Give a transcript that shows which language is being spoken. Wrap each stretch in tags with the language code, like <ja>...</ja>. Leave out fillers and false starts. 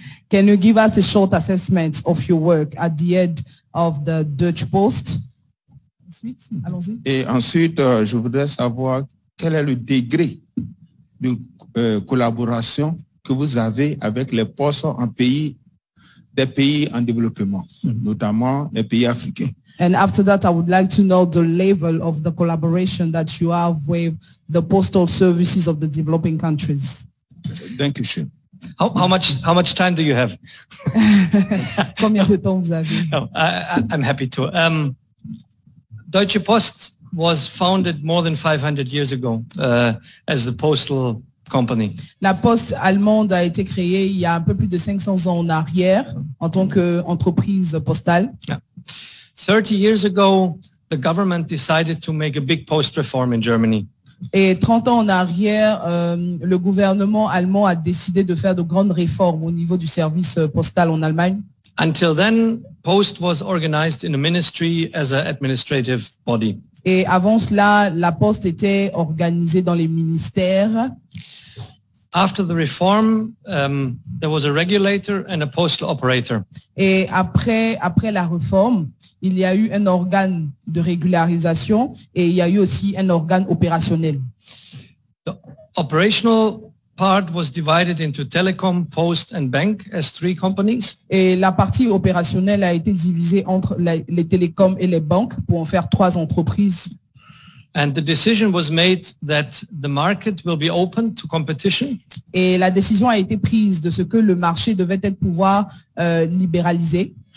<en>Can you give us a short assessment of your work at the head of the Dutch Post?</en> <fr>Et ensuite, je voudrais savoir quel est le degré de collaboration que vous avez avec les postes en pays, des pays en développement, notamment les pays africains.</fr> <en>And after that, I would like to know the level of the collaboration that you have with the postal services of the developing countries. Thank you, Shane. How much time do you have?</en> <fr>Combien de temps vous avez?</fr> <en>I'm happy to. Deutsche Post was founded more than 500 years ago as the postal company.</en> <fr>La Poste allemande a été créée il y a un peu plus de 500 ans en arrière en tant qu'entreprise postale.</fr> <en>Yeah. 30 years ago, the government decided to make a big post reform in Germany.</en> <fr>Et 30 ans en arrière, le gouvernement allemand a décidé de faire de grandes réformes au niveau du service postal en Allemagne.</fr> <en>Until then, post was organized in a ministry as an administrative body.</en> <fr>Et avant cela, la poste était organisée dans les ministères.</fr> <en>After the reform, there was a regulator and a postal operator.</en> <fr>Et après la réforme, il y a eu un organe de régularisation et il y a eu aussi un organe opérationnel.</fr> <en>The operational part was divided into telecom, post and bank as three companies.</en> <fr>Et la partie opérationnelle a été divisée entre les télécoms et les banques pour en faire trois entreprises.</fr> <en>And the decision was made that the market will be open to competition.</en> <fr>Et la décision a été prise de ce que le marché devait être pouvoir libéralisé.</fr>